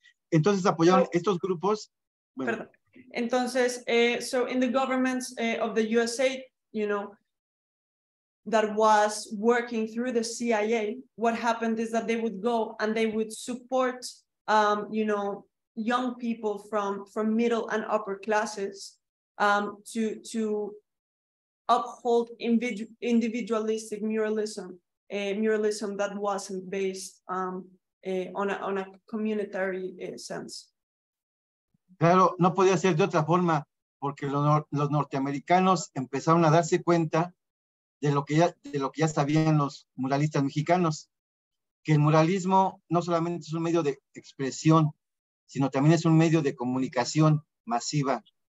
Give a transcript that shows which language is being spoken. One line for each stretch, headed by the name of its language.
Spanish: Entonces apoyaron estos grupos. Bueno. Perdón.
English: Entonces, so in the governments of the USA, you know, that was working through the CIA, what happened is that they would go and they would support, you know, young people from middle and upper classes to uphold individualistic muralism, a muralism that wasn't based on a communitary sense.
Spanish: Claro, no podía ser de otra forma, porque los norteamericanos empezaron a darse cuenta de lo que ya sabían los muralistas mexicanos, que el muralismo no solamente es un medio de expresión, sino también es un medio de comunicación masiva.